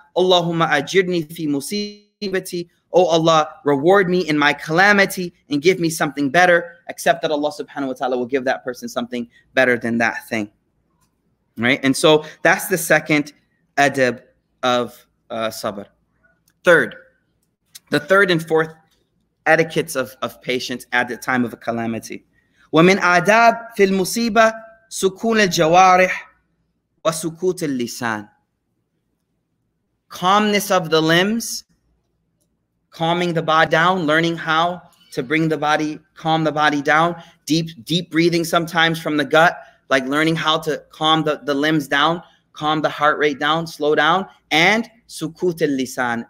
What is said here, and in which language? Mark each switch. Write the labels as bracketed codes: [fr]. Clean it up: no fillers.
[ar] Allahumma ajirni fi musibati. [en] O Allah, reward me in my calamity and give me something better, except that Allah subhanahu wa ta'ala will give that person something better than that thing. Right? And so that's the second adab of sabr. The third and fourth etiquettes of patience at the time of a calamity. [ar] وَمِنْ adab فِي الْمُصِيبَةِ سُكُونَ الْجَوَارِحِ وَسُكُوتِ الْلِسَانِ. [en] Calmness of the limbs, calming the body down, learning how to bring the body, calm the body down, deep breathing sometimes from the gut, like learning how to calm the limbs down, calm the heart rate down, slow down, and [ar] سُكُوتِ الْلِسَانِ.